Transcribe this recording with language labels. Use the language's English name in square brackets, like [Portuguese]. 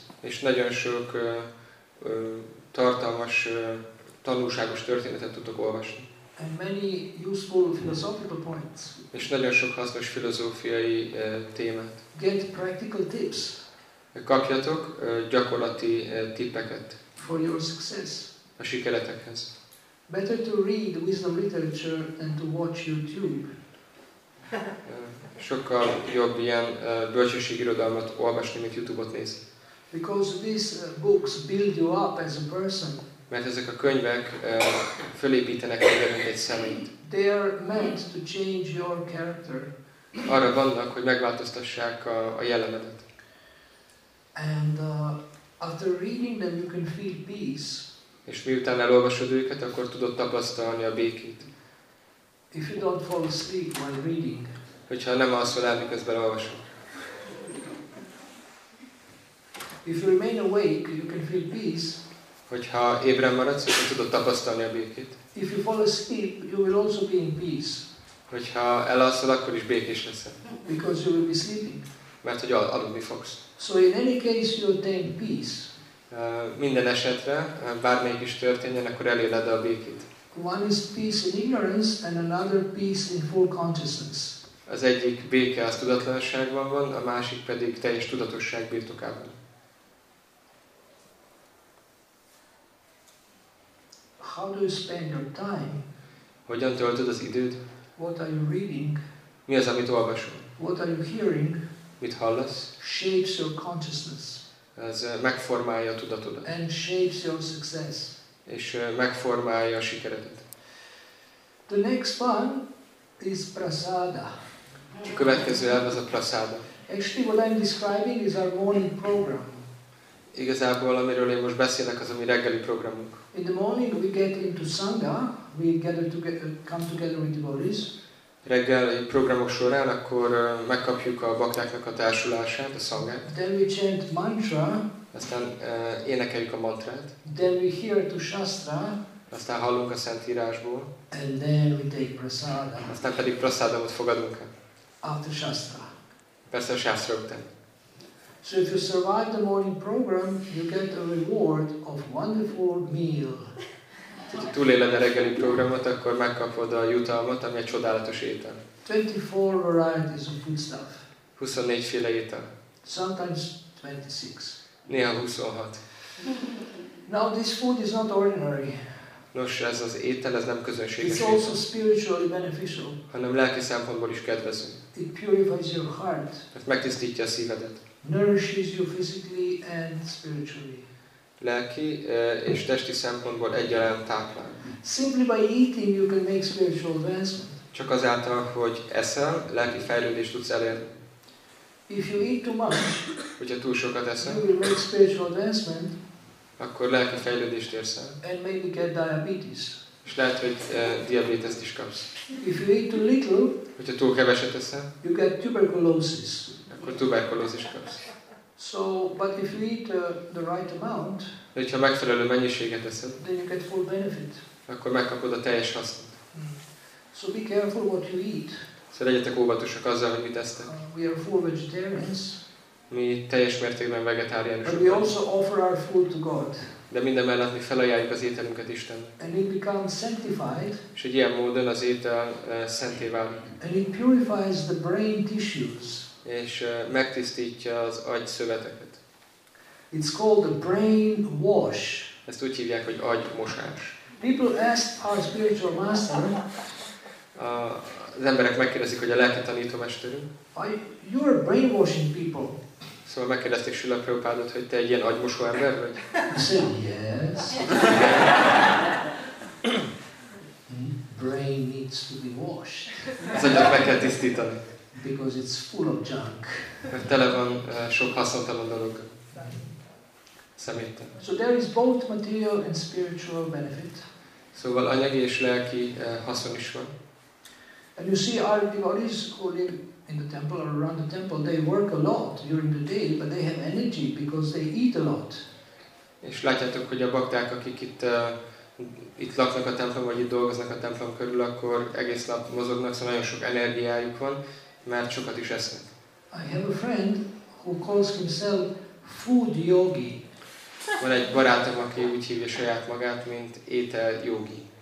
[Hungarian] És nagyon sok tartalmas, tanulságos történetet tudtok olvasni. [English] And many useful philosophical points. [Hungarian] És nagyon sok hasznos filozófiai témát. [English] Get practical tips. [Hungarian] Kapjatok gyakorlati tippeket. [English] For your success. [Hungarian] A sikeretekhez. [English] Better to read wisdom literature than to watch YouTube. [Hungarian] Sokkal jobb ilyen bölcsességirodalmat olvasni, mint YouTube-ot nézni. [English] Because these books build you up as a person. [Hungarian] Mert ezek a könyvek fölépítenek téged egy személyt. [English] They are meant to change your character. [Hungarian] Arra vannak, hogy megváltoztassák a jellemedet. [English] And after reading them, you can feel peace. [Hungarian] És miután elolvasod őket, akkor tudod tapasztalni a békét. [English] If you don't fall asleep while reading. [Hungarian] Hogyha nem alszol el, miközben olvasod. [English] If you remain awake, you can feel peace. [Hungarian] Hogyha ébren maradsz, akkor tudod tapasztalni a békét. [English] If you fall asleep, you will also be in peace. [Hungarian] Hogyha elalszol, akkor is békés leszel. [English] Because you will be sleeping. [Hungarian] Mert hogy aludni fogsz. [English] So in any case, you attain peace. [Hungarian] Minden esetre, bármelyik is történjen, akkor eléled a békét. [English] One is peace in ignorance, and another peace in full consciousness. [Hungarian] Az egyik béke az tudatlanságban van, a másik pedig teljes tudatosság birtokában. [English] How do you spend your time? [Hungarian] Hogyan töltöd az időd? [English] What are you reading? [Hungarian] Mi az, amit olvasol? [English] What are you hearing? [Hungarian] Mit hallasz? [English] Shapes your consciousness. [Hungarian] Ez megformálja a tudatodat. [English] And shapes your success. [Hungarian] És megformálja a sikeredet. [English] The next one is prasada. [Hungarian] A következő elv az a prasada. [English] Actually, what I'm describing is our morning program. [Hungarian] Igazából, amiről én most beszélek, az a mi reggeli programunk. [English] In the morning we get into sangha, we gather together, come together with devotees. [Hungarian] Reggel egy programok során akkor megkapjuk a baktáknak a társulását, a szangát. [English] Then we chant mantra. [Hungarian] Aztán énekeljük a mantrát. [English] Then we hear to shastra. [Hungarian] Aztán hallunk a szentírásból. [English] And then we take prasada. [Hungarian] Aztán pedig prasadamot fogadunk el. [English] After shastra. [Hungarian] Persze a shastra után. [English] So if you survive the morning program, you get a reward of wonderful meal. [Hungarian] Ha túléled a reggeli programot, akkor megkapod a jutalmat, ami egy csodálatos étel. [English] 24 varieties of foodstuff. [Hungarian] 24 féle étel. [English] Sometimes 26. [Hungarian] Néha 26. [English] Now this food is not ordinary. [Hungarian] Nos, ez az étel, ez nem közönséges. [English] It's also spiritually beneficial. [Hungarian] Hanem lelki szempontból is kedvező. [English] It purifies your heart. [Hungarian] Ez megtisztítja a szívedet. [English] Nourishes you physically and spiritually. [Hungarian] Lelki és testi szempontból egyaránt táplál. [English] Simply by eating you can make spiritual advancement. [Hungarian] Csak azáltal, hogy eszel, lelki fejlődést tudsz elérni. [English] If you eat too much, [Hungarian] hogyha túl sokat eszel, [English] you will make spiritual advancement. [Hungarian] Akkor lelki fejlődést érsz el. [English] And maybe get diabetes. [Hungarian] És lehet, hogy diabéteszt is kapsz. [English] If you eat too little, [Hungarian] hogyha túl keveset eszel, [English] you get tuberculosis. [Hungarian] Akkor tuberkulózis kapsz. [English] So, but if you eat the right amount, [Hungarian] de hogyha megfelelő mennyiséget eszed, [English] then you get full benefit. [Hungarian] Akkor megkapod a teljes hasznot. [English] So be careful what you eat. [Hungarian] Szóval legyetek óvatosak azzal, hogy mit esztek. [English] We are full vegetarians. [Hungarian] Mi teljes mértékben vegetáriánusok. [English] But we also offer our food to God. [Hungarian] De minden mellett mi felajánljuk az ételünket Istennek. [English] And it becomes sanctified. [Hungarian] És egy ilyen módon az étel szenté válik. [English] And it purifies the brain tissues. [Hungarian] És megtisztítja az agy szöveteket. [English] It's called the brain wash. [Hungarian] Ezt úgy hívják, hogy agy mosás. [English] People ask our spiritual master. [Hungarian] Az emberek megkérdezik, hogy a lelki tanítómesterünk. [English] You are brainwashing people. [Hungarian] Szóval megkérdezték Srila Prabhupádot, hogy te egy ilyen agymosó ember vagy? [English] Yes. Brain needs to be washed. [Hungarian] Az agyat meg kell tisztítani. [English] Because it's full of junk. [Hungarian] Mert tele van sok haszontalan dolog. Szeméttel. [English] So there is both material and spiritual benefit. [Hungarian] Szóval anyagi és lelki haszon is van. [English] And you see our devotees who live in the temple or around the temple, they work a lot during the day, but they have energy because they eat a lot. [Hungarian] És látjátok, hogy a bakták, akik itt laknak a templom, vagy itt dolgoznak a templom körül, akkor egész nap mozognak, szóval nagyon sok energiájuk van, mert sokat is esznek. [English] I have a friend who calls himself food yogi. [Hungarian] Van egy barátom, aki úgy hívja saját magát, mint étel yogi.